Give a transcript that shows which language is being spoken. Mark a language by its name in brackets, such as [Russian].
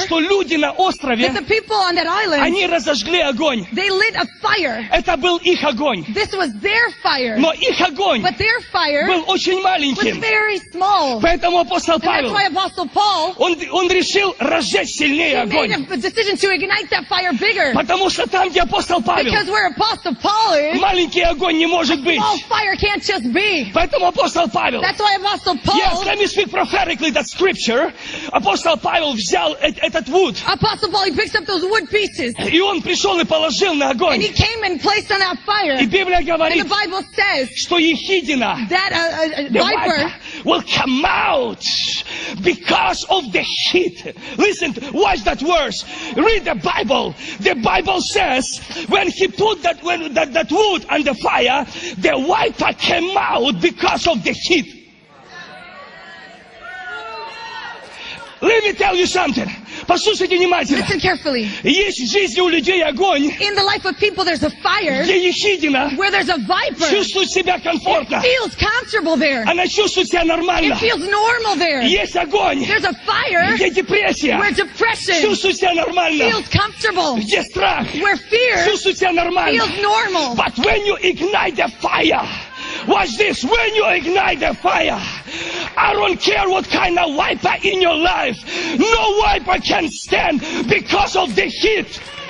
[Russian] Что люди на острове. [English] That the people on that island. [Russian] Они разожгли огонь. [English] They lit a fire. [Russian] Это был их огонь. [English] This was their fire. [Russian] Но их огонь. [English] But their fire [Russian] был очень маленьким. [English] Was very small. [Russian] Поэтому апостол Павел, [English] and that's why Apostle Paul, [Russian] он решил разжечь сильнее огонь. [English] He made a decision to ignite that fire bigger. [Russian] Потому что там, где апостол Павел, [English] because where Apostle Paul is, [Russian] маленький огонь не может быть. [English] Small fire can't just be. [Russian] Поэтому апостол Павел, [English] that's why Apostle Paul, yes, let me speak prophetically that scripture. [Russian] Апостол Павел взял этот wood. [English] Apostle Paul, he picks up those wood pieces. [Russian] И он пришел и положил на огонь. [English] And he came and placed on that fire. [Russian] И Библия говорит, [English] and the Bible says, [Russian] что ехидна, [English] that a viper will come out because of the heat. Listen, watch that verse. Read the Bible. The Bible says when he put that wood on the fire, the viper came out because of the heat. Let me tell you something. [Russian] Послушайте внимательно. [English] Listen carefully. [Russian] Есть в жизни у людей огонь. [English] In the life of people, there's a fire. [Russian] Где ехидина. [English] Where there's a viper. [Russian] Чувствует себя комфортно. [English] It feels comfortable there. [Russian] Она чувствует себя нормально. [English] It feels normal there. [Russian] Есть огонь. [English] There's a fire. [Russian] Где депрессия. [English] Where depression. [Russian] Чувствует себя нормально. [English] Feels comfortable. [Russian] Где страх. [English] Where fear. [Russian] Чувствует себя нормально. [English] Feels normal. But when you ignite the fire. Watch this. When you ignite the fire, I don't care what kind of wiper in your life. No wiper can stand because of the heat.